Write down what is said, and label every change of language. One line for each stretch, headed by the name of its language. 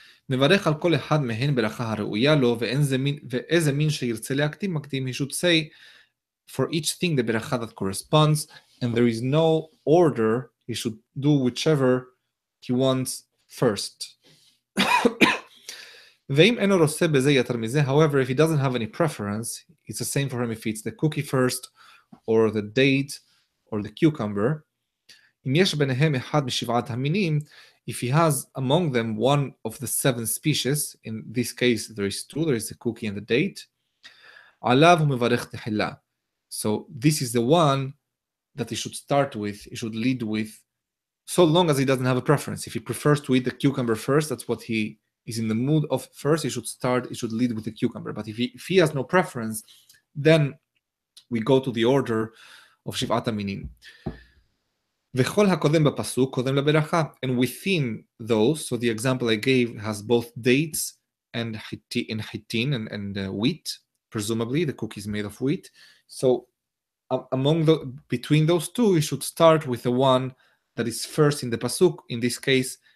Hebrew: מברך על כל אחד מהן ברכה הראויה לו, ואיזה מין שירצה להקדים, מקדים,
English: he should say, for each thing the ברכה that corresponds, and there is no order, he should do whichever he wants first.
Hebrew: ואם אינו רוצה בזה יתר מזה,
English: however, if he doesn't have any preference, it's the same for him if it's the cookie first, or the date, or the cucumber.
Hebrew: אם יש ביניהם אחד משבעת המינים,
English: if he has among them one of the seven species, in this case there is two, there is the cookie and the date,
Hebrew: עליו הוא מברך תחילה.
English: So this is the one that he should start with, he should lead with, so long as he doesn't have a preference. If he prefers to eat the cucumber first, that's what he is in the mood of first, he should lead with the cucumber. But if he has no preference, then we go to the order of שבעת המינים.
Hebrew: וכל הקודם בפסוק קודם לברכה.
English: And within those, so the example I gave has both dates and chitin and wheat, presumably the cookie is made of wheat. So among the between those two, you should start with the one that is first in the pasuk. In this case,